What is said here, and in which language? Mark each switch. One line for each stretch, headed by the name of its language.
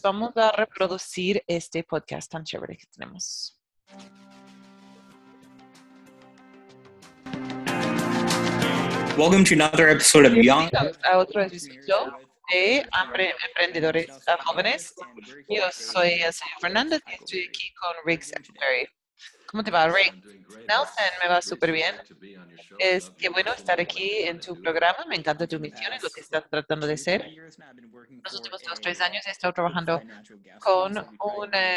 Spanish: Vamos a reproducir este podcast tan chévere que tenemos.
English: Welcome to another episode of Young.
Spanish: A otro episodio de Emprendedores Jóvenes. Yo soy Asenio Fernández y estoy aquí con Riggs Atterbury. ¿Cómo te va, Riggs? Nelson, me va súper bien. Es que bueno estar aquí en tu programa. Me encanta tu misión y lo que estás tratando de hacer. Los últimos 2-3 años he estado trabajando con un...